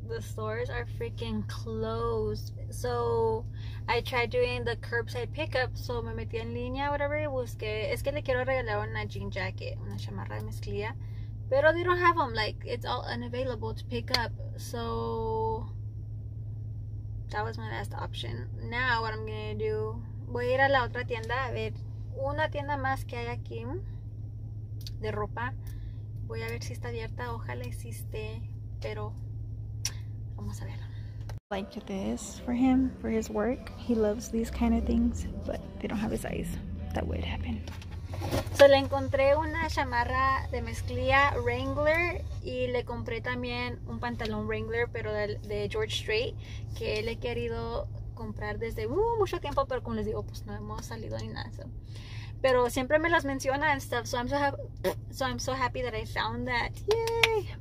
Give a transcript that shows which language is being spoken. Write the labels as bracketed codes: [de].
[en] The stores are freaking closed. So I tried doing the curbside pickup. [es] So me metí en línea, whatever, y busqué. Es que le quiero regalar una jean jacket, una chamarra de mezclilla. [en] Pero they don't have them. Like, it's all unavailable to pick up. So that was my last option. Now what I'm gonna do, [es] voy a ir a la otra tienda a ver una tienda más que hay aquí de ropa. Voy a ver si está abierta, ojalá existe, pero vamos a ver. [en] Like this for him, for his work. He loves these kind of things, but they don't have his eyes. That would happen. [es] So le encontré una chamarra de mezclilla Wrangler y le compré también un pantalón Wrangler, pero de George Strait, que él he querido comprar desde mucho tiempo, pero como les digo, pues no hemos salido ni nada. So. Pero siempre me las menciona [en] and stuff, so I'm so happy that I found that. Yay!